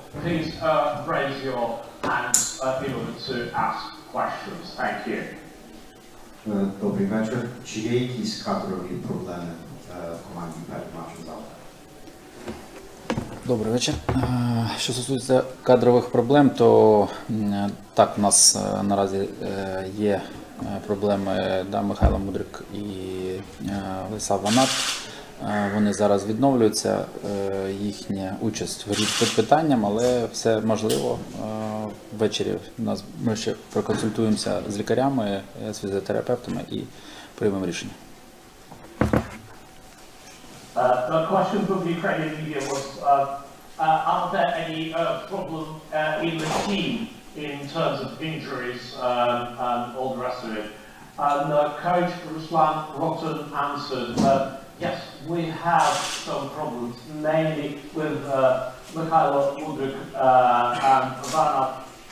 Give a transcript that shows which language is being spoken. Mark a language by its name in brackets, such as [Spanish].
[English] Please raise your hands in order to ask questions. Thank you. [Ukrainian] Добрий вечір. Чи є якісь кадрові проблеми в команді перед матчем завтра? Добрий вечір. Що стосується кадрових проблем, то так, у нас наразі є проблеми, да, Михайло Мудрик і Лиса Ванат. Вони зараз відновлюються, їхня участь в грі під питанням, але все можливо. Ввечері ми ще проконсультуємося з лікарями, з фізіотерапевтами і приймемо рішення. [English] The question from the Ukrainian media was, are there any problems in the team in terms of injuries and all the rest of it? And coach Ruslan Ротань answered, yes, we have some problems, mainly with Mikhailo Mudrik and Vana.